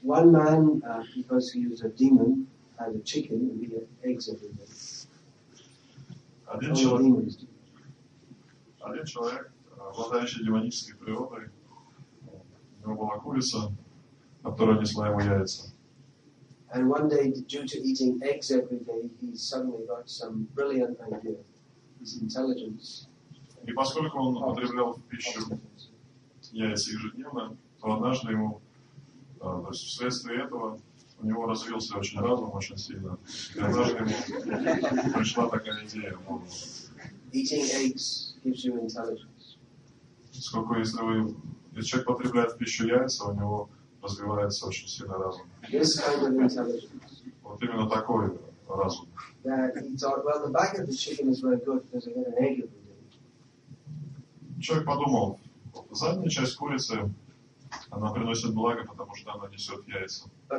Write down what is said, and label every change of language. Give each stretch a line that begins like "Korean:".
English: One man, because he was a demon, had a chicken and he had eggs everywhere.
Russian: Один человек, обладающий демонической природой, у него была курица, которая несла ему яйца.
English: And one day, due to eating eggs every day, he suddenly got some brilliant idea, his intelligence.
Russian: И поскольку он употреблял в пищу яйца ежедневно, то однажды ему то есть вследствие этого у него развился очень разум, очень сильно. И однажды ему пришла такая идея.
English: Eating eggs gives you intelligence.
Russian: Сколько, если человек потребляет в пищу яйца, у него развивается очень сильный разум.
English: This kind of intelligence.
Russian: Вот именно такой разум.
English: That he thought, well, the back of the chicken is very good because I get an egg.
Russian: Человек подумал, задняя часть курицы она приносит благо, потому что она несет яйца.